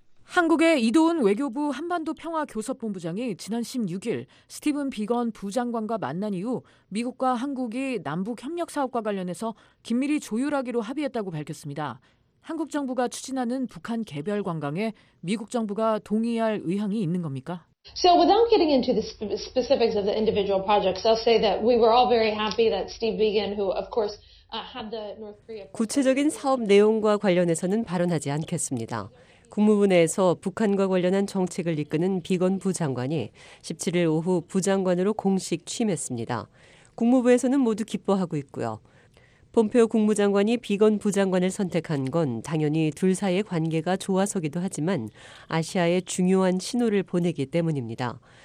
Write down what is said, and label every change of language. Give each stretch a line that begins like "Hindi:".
Korean: 한국의 이도훈 외교부 한반도평화교섭본부장이 지난 16일 스티븐 비건 부장관과 만난 이후 미국과 한국이 남북협력사업과 관련해서 긴밀히 조율하기로 합의했다고 밝혔습니다. 한국 정부가 추진하는 북한 개별 관광에 미국 정부가 동의할 의향이 있는 겁니까?
English: So without getting into the specifics of the individual projects, I'll say that we were all very happy that Steve Biegun, who of course had the North Korea.
Korean: 구체적인 사업 내용과 관련해서는 발언하지 않겠습니다. 국무부 내에서 북한과 관련한 정책을 이끄는 비건 부장관이 17일 오후 부장관으로 공식 취임했습니다. 국무부에서는 모두 기뻐하고 있고요. 폼페오 국무장관이 비건 부장관을 선택한 건 당연히 둘 사이의 관계가 좋아서기도 하지만 아시아에 중요한 신호를 보내기 때문입니다.